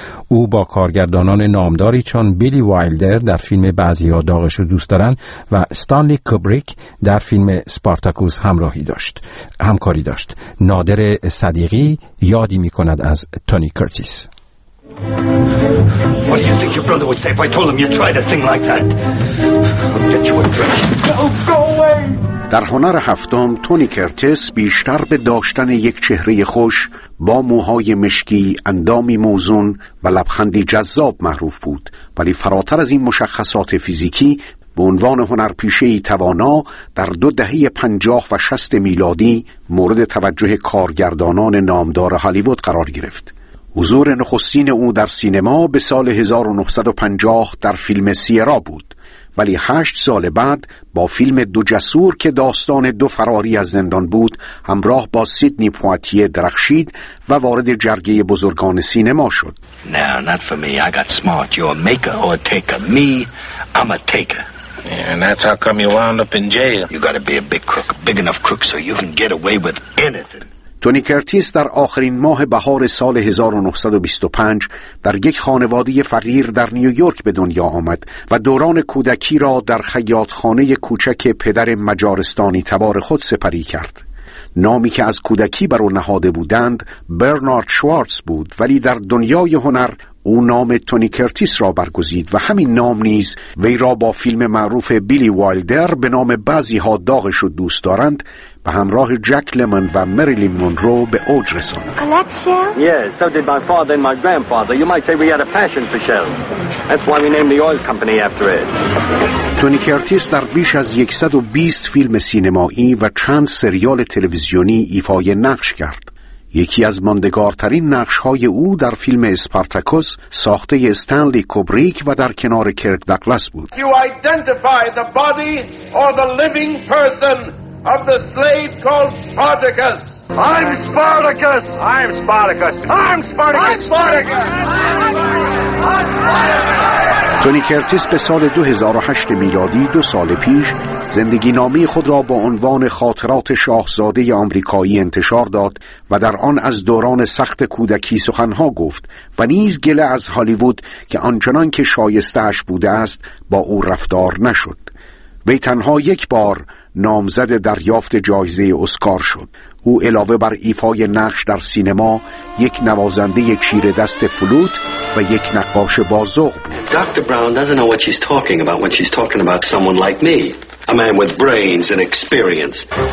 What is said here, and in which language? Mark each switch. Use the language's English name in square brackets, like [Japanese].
[Persian] او با کارگردانان نامداری چون بیلی وایلدر در فیلم بعضی ها داغشو دوست دارن و استانلی کوبریک در فیلم سپارتاکوس همکاری داشت. نادر صدیقی یادی می کند از تونی کرتیس. [English] What do you think your brother would say if I told him you tried a thing like that? I'll get you a drink. Go away! [Persian] در هنر هفتم تونی کرتیس بیشتر به داشتن یک چهره خوش با موهای مشکی، اندامی موزون و لبخندی جذاب معروف بود، ولی فراتر از این مشخصات فیزیکی به عنوان هنرپیشه‌ای توانا در دو دهه 50 و 60 میلادی مورد توجه کارگردانان نامدار هالیوود قرار گرفت. حضور نخستین او در سینما به سال 1950 در فیلم سیرا بود، ولی 8 سال بعد با فیلم دو جسور که داستان دو فراری از زندان بود همراه با سیدنی پواتیه درخشید و وارد جرگه بزرگان سینما شد. نه، [English] not for me. I got smart. You're a maker or a taker. Me, I'm a taker. And that's how come you wound up in jail. You got to be a big crook, big enough crook so you can get away with anything. [Persian] تونی کرتیس در آخرین ماه بهار سال 1925 در یک خانواده فقیر در نیویورک به دنیا آمد و دوران کودکی را در خیاطخانه کوچک پدر مجارستانی تبار خود سپری کرد. نامی که از کودکی بر او نهاده بودند برنارد شوارتز بود، ولی در دنیای هنر او نام تونی کرتیس را برگزید و همین نام نیز وی را با فیلم معروف بیلی وایلدر به نام بعضی ها داغش و دوست دارند به همراه جک لمن و مریلین مونرو به اوج رساند. [English] Yes, so did my father and my grandfather. You might say we had a passion for shells. That's why we named the oil company after it. [Persian] تونی کرتیس در بیش از 120 فیلم سینمایی و چند سریال تلویزیونی ایفای نقش کرد. یکی از ماندگارترین نقش‌های او در فیلم اسپارتاکوس ساخته استنلی کوبریک و در کنار کرک دگلاس بود. [English] You identify the body or the living person of the slave called Spartacus. I'm Spartacus. I'm Spartacus. I'm Spartacus. I'm Spartacus. [Persian] تونی کرتیس به سال 2008 میلادی دو سال پیش زندگی نامه خود را با عنوان خاطرات شاهزاده آمریکایی انتشار داد و در آن از دوران سخت کودکی سخنها گفت و نیز گله از هالیوود که آنچنان که شایسته اش بوده است با او رفتار نشد. وی تنها یک بار نامزد دریافت جایزه اسکار شد. او علاوه بر ایفای نقش در سینما یک نوازنده چیره دست فلوت و یک نقاش بازوق بود. [English] Doctor Brown doesn't know what she's talking about when she's talking about someone like me, a man with brains and experience.